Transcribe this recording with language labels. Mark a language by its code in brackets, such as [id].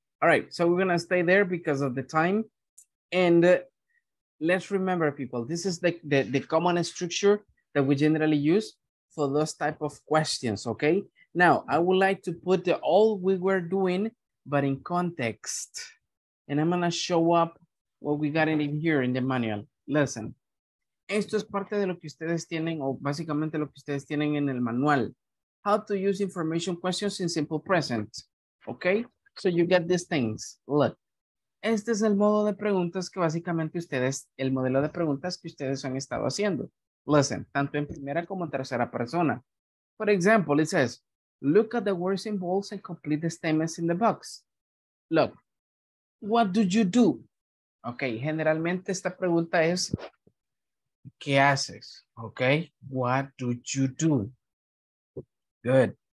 [en] All right, so we're going to stay there because of the time. And let's remember, people, this is the common structure that we generally use for those type of questions, okay? Now, I would like to put all we were doing, but in context. And I'm going to show up what we got in here in the manual. [es] Listen, esto es parte de lo que ustedes tienen, o básicamente lo que ustedes tienen en el manual. [en] How to use information questions in simple present, okay? So you get these things. Look. [es] Este es el modo de preguntas que básicamente ustedes, el modelo de preguntas que ustedes han estado haciendo. Listen, tanto en primera como en tercera persona. [en] For example, it says, look at the words involved and complete the statements in the box. Look, what do you do? [es] Okay, generalmente esta pregunta es, ¿qué haces? [en] Okay, what do you do? Good.